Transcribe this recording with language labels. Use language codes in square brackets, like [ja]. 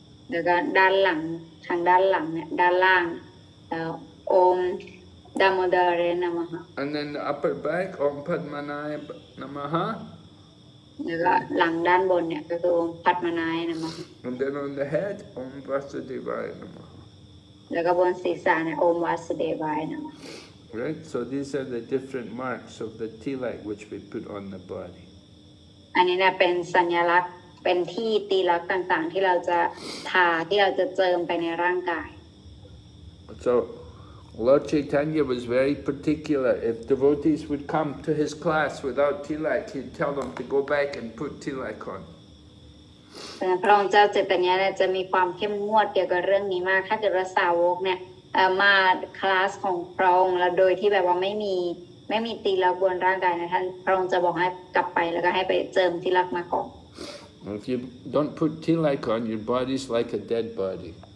[th] แล้วก็ด้านหลังทางด้านหลังเนี่ยด้านล่างแล้วองค์ดัมโมดาเรนามะฮะ [en] and then the upper back องค์พัทมานายนามะฮะ [th] แล้วก็หลังด้านบนเนี่ยก็คือองค์พัทมานายนามะฮะ [en] and then on the head องค์วาสุเดวายนามะฮะ [th] แล้วก็บนศีรษะเนี่ยองค์วาสุเดวายนามะ [en] ฮะ right so these are the different marks of the tilak which we put on the body [th] อันนี้เนี่ยเป็นสัญลักษณ์เป็นที่ตีลักษณ์ต่างๆที่เราจะทาที่เราจะเจิมไปในร่างกาย [en] So Lord Chaitanya was very particular. If devotees would come to his class without tilak, he'd tell them to go back and put tilak on. [th] พระองค์เจ้าเจตนาเนี่ยจะมีความเข้มงวดเกี่ยวกับเรื่องนี้มากถ้าเกิดว่าสาวกเนี่ยมาคลาสของพระองค์แล้วโดยที่แบบว่าไม่มีตีลักษณ์บนร่างกายนะท่านพระองค์จะบอกให้กลับไปแล้วก็ให้ไปเจิมตีลักษณ์มาก่อน [en] If you don't put tilak on, your body's like a dead body.